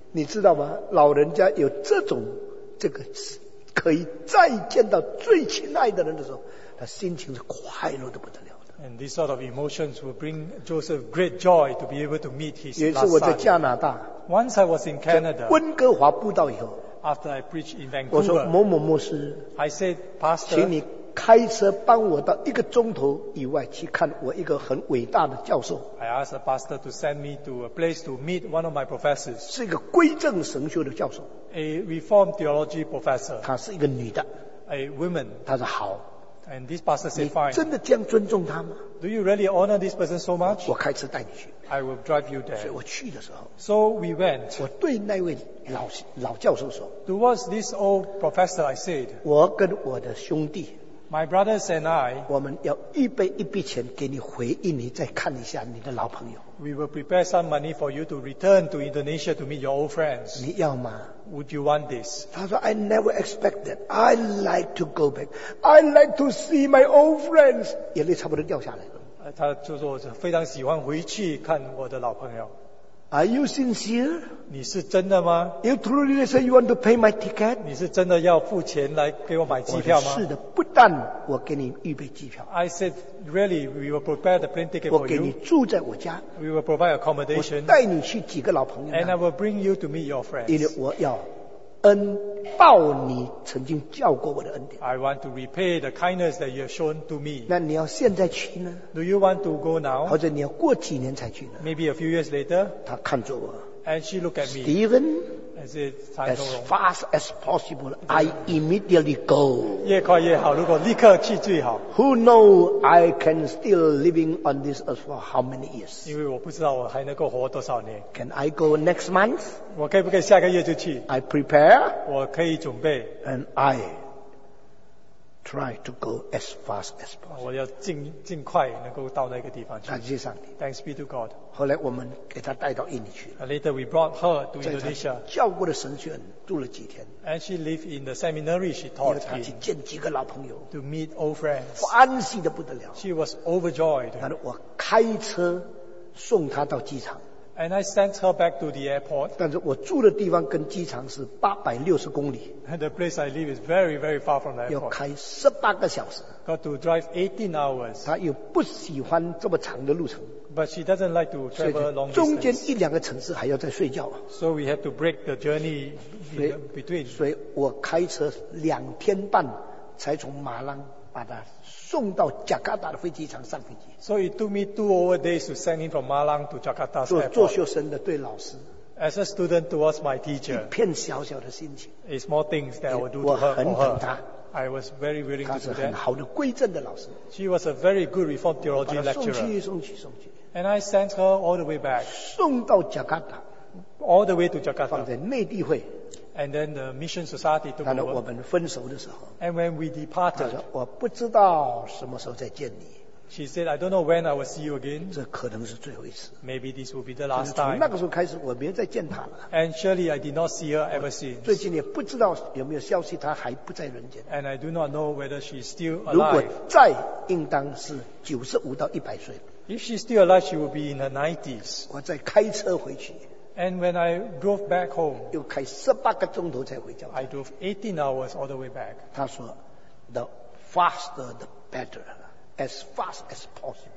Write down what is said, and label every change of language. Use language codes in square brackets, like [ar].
[zh] 你知道吗？老人家有这种这个可以再见到最亲爱的人的时候，他心情是快乐的不得了的。 [en] And this sort of emotions will bring Joseph great joy to be able to meet his last son. [zh] 也是我在加拿大。 [en] Once I was in Canada. [zh] 温哥华布道以后。 [en] After I preached in Vancouver, I said, Pastor, [zh] 请你开车帮我到一个钟头以外去看我一个很伟大的教授。 [en] I asked the pastor to send me to a place to meet one of my professors. [zh] 是一个归正神学的教授。 [en] A Reformed Theology professor. [zh] 她是一个女的。 [en] A woman. [zh] 她说好。 [en] And this pastor said, fine. [zh] 你真的这样尊重她吗？ [en] Do you really honor this person so much? [zh] 我开车带你去。 [en] I will drive you there. [zh] 所以我去的时候, [en] so we went. [zh] 我对那位老教授说, [en] towards this old professor, I said, [zh] 我跟我的兄弟, [en] my brothers and I, [zh] 我们要预备一笔钱给你回印尼再看一下你的老朋友。 [en] We will prepare some money for you to return to Indonesia to meet your old friends. [zh] 你要吗? [en] Would you want this? [zh] 他说, [en] I never expected. I like to go back. I like to see my old friends. [zh] 眼泪差不多掉下来。他就说我非常喜欢回去看我的老朋友。 [en] Are you sincere? [zh] 你是真的吗? [en] You truly say you want to pay my ticket? [zh] 你是真的要付钱来给我买机票吗? 我说是的,但我给你预备机票。 [en] I said, really, we will prepare the plane ticket for you. [zh] 我给你住在我家。 [en] We will provide accommodation. [zh] 我带你去几个老朋友。 [en] And I will bring you to meet your friends. [zh] 因为我要恩报你曾经教过我的恩典。 [en] I want to repay the kindness that you have shown to me. [zh] 那你要现在去呢 [en] ？Do you want to go now? [zh] 或者你要过几年才去呢 [en] ？Maybe a few years later. [zh] 他看着我。 [en] And she looked at me. Stephen. Is it time as fast as possible, I immediately go. [zh] 越快越好，如果立刻去最好。 [en] Who knows I can still living on this earth for how many years? [zh] 因为我不知道我还能够活多少年。 [en] Can I go next month? [zh] 我可以不可以下个月就去？ [en] I prepare. [zh] 我可以准备。 [en] And I try to go as fast as possible. [zh] 我要尽快能够到那个地方去。感谢上帝。 [en] Thanks be to God. [zh] 后来我们给他带到印尼去了。 [en] Later we brought her to Indonesia. [zh] 教过的神学院住了几天。 [en] And she lived in the seminary she taught in. [zh] 去见几个老朋友。 [en] To meet old friends. [zh] 欢喜得不得了。 [en] She was overjoyed. [zh] 然后我开车送她到机场。 [en] And I sent her back to the airport. [zh] 但是我住的地方跟机场是860公里。 [en] And the place I live is very, very far from the airport. [zh] 要开18个小时。 [en] Got to drive 18 hours. [zh] 她又不喜欢这么长的路程。 [en] But she doesn't like to travel long distance. [zh] 中间一两个城市还要再睡觉。 [en] So we had to break the journey between. [zh] 所以我开车两天半才从马浪把他送到贾加达的飞机场上飞机。 [en] So it took me 2 hours to send him from Malang to Jakarta airport. [zh] 做学生的对老师。 [en] As a student towards my teacher. [zh] 一片小小的心情。 [en] A small things that I would do to her. [zh] 我很疼他。 [en] I was very willing to do that. [zh] 他是很好的归正的老师。 [en] She was a very good Reformed theology lecturer. [zh] 我把他送去。 [en] And I sent her all the way back. [zh] 送到 Jakarta. [en] All the way to Jakarta. [zh] 放在内地会。 [en] And then the mission society took over. [zh] 然后我们分手的时候。 [en] And when we departed. [zh] 她说我不知道什么时候再见你。 [en] She said, I don't know when I will see you again. [zh] 这可能是最后一次。 [en] Maybe this will be the last time. [zh] 从那个时候开始我没有再见她了。 [en] And surely I did not see her ever since. [zh] 最近也不知道有没有消息她还不在人间。 [en] And I do not know whether she is still alive. [zh] 如果再应当是95到100岁。 [en] If she's still alive, she will be in her 90s. [zh] 我再开车回去。 [en] And when I drove back home, [zh] 又开18个钟头才回家。 [en] I drove 18 hours all the way back. [zh] 他说 [en] ，the faster the better, as fast as possible.